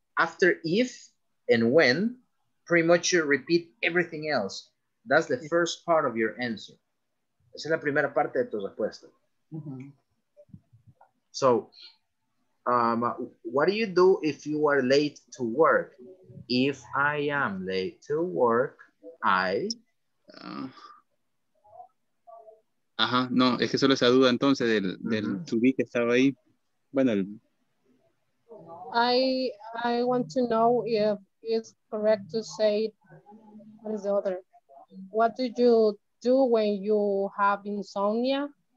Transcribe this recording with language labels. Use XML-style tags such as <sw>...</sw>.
<en>After if and when, pretty much you repeat everything else. That's the first part of your answer.</en> <es>Esa es la primera parte de tu respuesta. Mm-hmm.</es> <en>So, what do you do if you are late to work? If I am late to work, I...</en> <es>Ajá, no, es que solo esa duda entonces del, mm-hmm. del to be que estaba ahí. Bueno, el...</es> <en>I want to know if it's correct to say what is the other. What do you do when you have insomnia?</en>